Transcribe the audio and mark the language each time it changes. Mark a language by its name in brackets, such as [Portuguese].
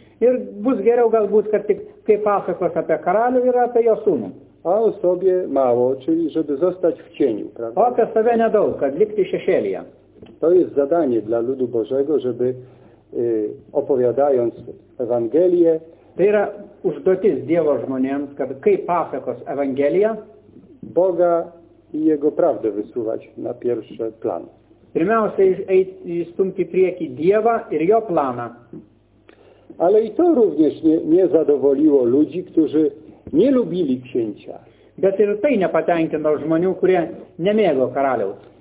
[Lithuanian] Ir bus geriau galbūt, kad tik kai pasakos apie karalių ir apie jo sūnų. [Polish] A o sobie mało, czyli żeby zostać w cieniu, prawda? [Lithuanian] O apie save nedaug, kad likti šešėlyje. [Polish] To jest zadanie dla ludu Bożego, żeby opowiadając Ewangelię. [Lithuanian] To yra užduotis Dievo žmonėms, kad kai pasakos Ewangelia, [Polish] Boga i Jego prawdę wysuwać na pierwszy plan. [Lithuanian] Pirmiausia, stumti prieki Dievą ir jo planą. [Polish] Ale i to również nie zadowoliło ludzi, którzy nie lubili księcia. [Lithuanian] Bet ir tai nepatenkino žmonių, kurie nemėgo karaliaus.